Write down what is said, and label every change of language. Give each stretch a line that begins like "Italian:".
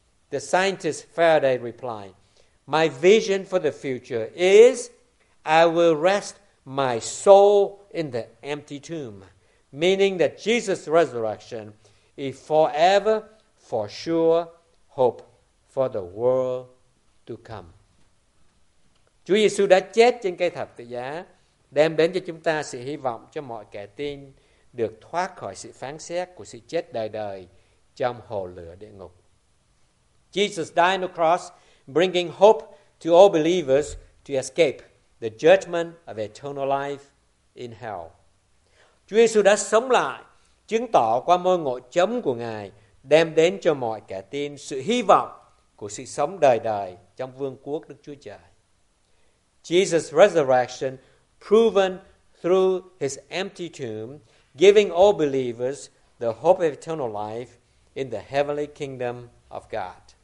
English: The scientist Faraday replied, "My vision for the future is I will rest my soul in the empty tomb," meaning that Jesus' resurrection is forever, for sure, hope for the world to come.
Vietnamese: Chúa Giêsu đã chết trên cây thập tự giá, đem đến cho chúng ta sự hy vọng cho mọi kẻ tin được thoát khỏi sự phán xét của sự chết đời đời trong hồ lửa địa ngục.
English: Jesus died on the cross, bringing hope to all believers to escape the judgment of eternal life in hell.
Vietnamese: Chúa Giêsu đã sống lại, chứng tỏ qua môi ngộ chấm của Ngài, đem đến cho mọi kẻ tin sự hy vọng của sự sống đời đời trong vương quốc Đức Chúa Trời.
English: Jesus' resurrection, proven through his empty tomb, giving all believers the hope of eternal life in the heavenly kingdom of God.